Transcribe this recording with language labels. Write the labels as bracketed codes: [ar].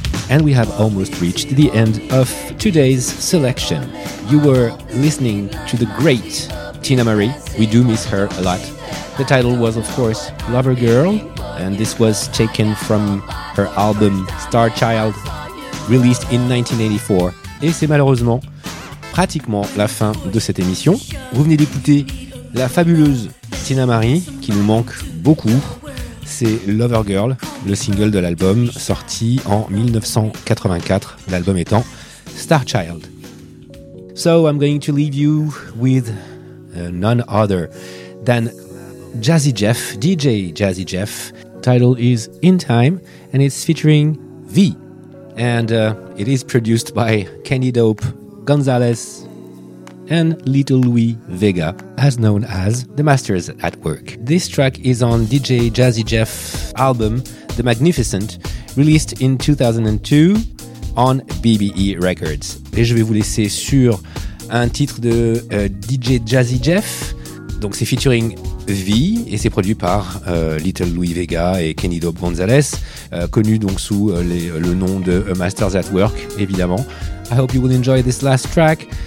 [en] and we have almost reached the end of today's selection. You were listening to the great Tina Marie. We do miss her a lot. The title was, of course, Lover Girl, and this was taken from her album Star Child, released in 1984. [fr] Et c'est malheureusement pratiquement la fin de cette émission. Vous venez d'écouter la fabuleuse Tina Marie, qui nous manque beaucoup. C'est Lover Girl, le single de l'album sorti en 1984, l'album étant Star Child. [en] So I'm going to leave you with none other than Jazzy Jeff, DJ Jazzy Jeff. Title is In Time and it's featuring V. And it is produced by Kenny Dope, Gonzalez and Little Louis Vega, as known as The Masters at Work. This track is on DJ Jazzy Jeff's album, The Magnificent, released in 2002 on BBE Records. [fr] Et je vais vous laisser sur un titre de DJ Jazzy Jeff. Donc c'est featuring V et c'est produit par Little Louis Vega et Kenny Dope Gonzalez, connu donc sous le nom de Masters at Work, évidemment. [en] I hope you will enjoy this last track.